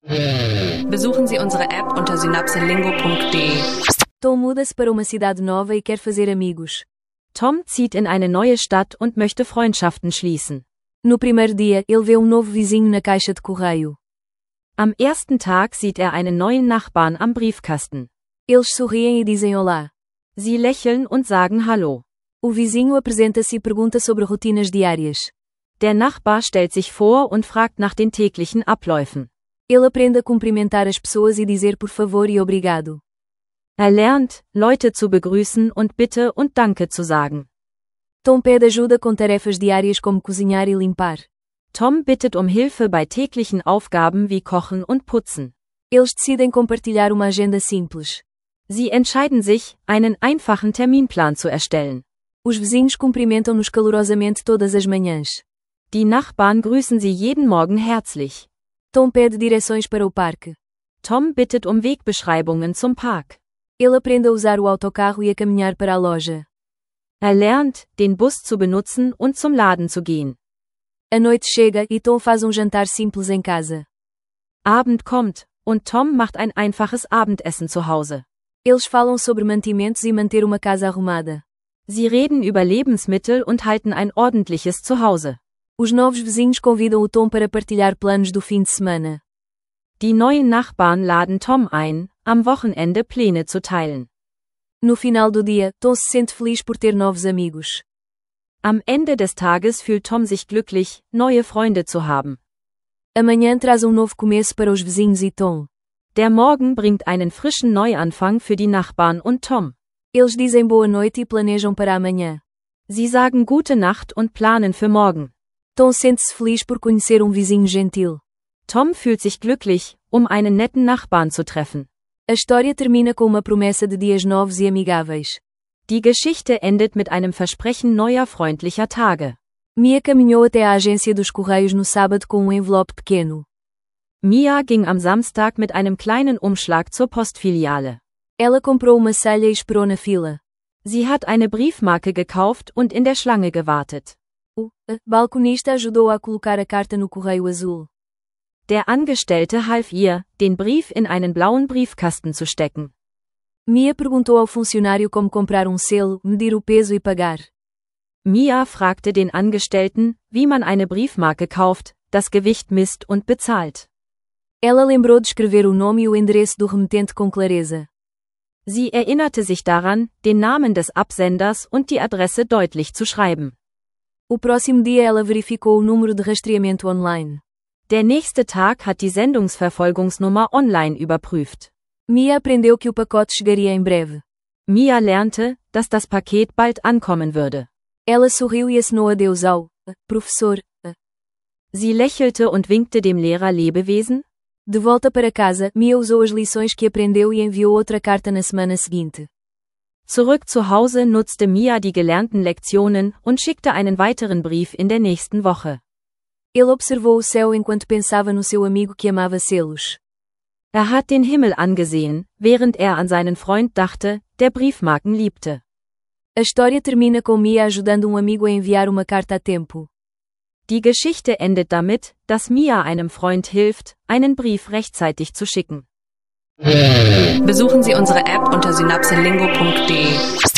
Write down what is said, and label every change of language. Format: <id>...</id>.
<de>Besuchen Sie unsere App unter synapselingo.de.</de> <pt>Tom muda para uma cidade nova e quer fazer amigos.</pt> <de>Tom zieht in eine neue Stadt und möchte Freundschaften schließen.</de> <pt>No primeiro dia, ele vê novo vizinho na caixa de correio.</pt> <de>Am ersten Tag sieht einen neuen Nachbarn am Briefkasten.</de> <pt>Eles sorriem e dizem olá.</pt> <de>Sie lächeln und sagen hallo.</de> <pt>O vizinho apresenta-se e pergunta sobre rotinas diárias.</pt> <de>Der Nachbar stellt sich vor und fragt nach den täglichen Abläufen.</de> <pt>Ele aprende a cumprimentar as pessoas e dizer por favor e obrigado.</pt> <de>Er lernt, Leute zu begrüßen und bitte und danke zu sagen.</de> <pt>Tom pede ajuda com tarefas diárias como cozinhar e limpar.</pt> <de>Tom bittet Hilfe bei täglichen Aufgaben wie kochen und putzen.</de> <pt>Eles decidem compartilhar uma agenda simples.</pt> <de>Sie entscheiden sich, einen einfachen Terminplan zu erstellen.</de> <pt>Os vizinhos cumprimentam-nos calorosamente todas as manhãs.</pt> <de>Die Nachbarn grüßen sie jeden Morgen herzlich.</de> <pt>Tom pede direções para o parque.</pt> <de>Tom bittet Wegbeschreibungen zum Park.</de> <pt>Ele aprende a usar o autocarro e a caminhar para a loja.</pt> <de>Er lernt, den Bus zu benutzen und zum Laden zu gehen.</de> <pt>A noite chega e Tom faz jantar simples em casa.</pt> <de>Abend kommt und Tom macht einfaches Abendessen zu Hause.</de> <pt>Eles falam sobre mantimentos e manter uma casa arrumada.</pt> <de>Sie reden über Lebensmittel und halten ordentliches Zuhause.</de> <pt>Os novos vizinhos convidam o Tom para partilhar planos do fim de semana.</pt> <de>Die neuen Nachbarn laden Tom ein, am Wochenende Pläne zu teilen.</de> <pt>No final do dia, Tom se sente feliz por ter novos amigos.</pt> <de>Am Ende des Tages fühlt Tom sich glücklich, neue Freunde zu haben.</de> <pt>Amanhã traz novo começo para os vizinhos e Tom.</pt> <de>Der Morgen bringt einen frischen Neuanfang für die Nachbarn und Tom.</de> <pt>Eles dizem boa noite e planejam para amanhã.</pt> <de>Sie sagen gute Nacht und planen für morgen.</de> <pt>Tom sente-se feliz por conhecer vizinho gentil.</pt> <de>Tom fühlt sich glücklich, einen netten Nachbarn zu treffen.</de> <pt>A história termina com uma promessa de dias novos e amigáveis.</pt> <de>Die Geschichte endet mit einem Versprechen neuer freundlicher Tage.</de> <pt>Mia caminhou até a agência dos Correios no sábado com envelope pequeno.</pt> <de>Mia ging am Samstag mit einem kleinen Umschlag zur Postfiliale.</de> <pt>Ela comprou uma selha e esperou na fila.</pt> <de>Sie hat eine Briefmarke gekauft und in der Schlange gewartet.</de> <pt>O balconista ajudou-a a colocar a carta no correio azul.</pt> <de>Der Angestellte half ihr, den Brief in einen blauen Briefkasten zu stecken.</de> <pt>Mia perguntou ao funcionário como comprar selo, medir o peso e pagar.</pt> <de>Mia fragte den Angestellten, wie man eine Briefmarke kauft, das Gewicht misst und bezahlt.</de> <pt>Ela lembrou de escrever o nome e o endereço do remetente com clareza.</pt> <de>Sie erinnerte sich daran, den Namen des Absenders und die Adresse deutlich zu schreiben.</de> <pt>O próximo dia ela verificou o número de rastreamento online.</pt> <de>Der nächste Tag hat die Sendungsverfolgungsnummer online überprüft.</de> <pt>Mia aprendeu que o pacote chegaria em breve.</pt> <de>Mia lernte, dass das Paket bald ankommen würde.</de> <pt>Ela sorriu e assinou adeus ao professor.</pt> <de>Sie lächelte und winkte dem Lehrer Lebewesen.</de> <pt>De volta para casa, Mia usou as lições que aprendeu e enviou outra carta na semana seguinte.</pt> <de>Zurück zu Hause nutzte Mia die gelernten Lektionen und schickte einen weiteren Brief in der nächsten Woche.</de> <pt>Ele observou o céu enquanto pensava no seu amigo que amava selos.</pt> <de>Er hat den Himmel angesehen, während an seinen Freund dachte, der Briefmarken liebte.</de> <pt>A história termina com Mia ajudando amigo a enviar uma carta a tempo.</pt> <de>Die Geschichte endet damit, dass Mia einem Freund hilft, einen Brief rechtzeitig zu schicken. Besuchen Sie unsere App unter synapselingo.de.</de>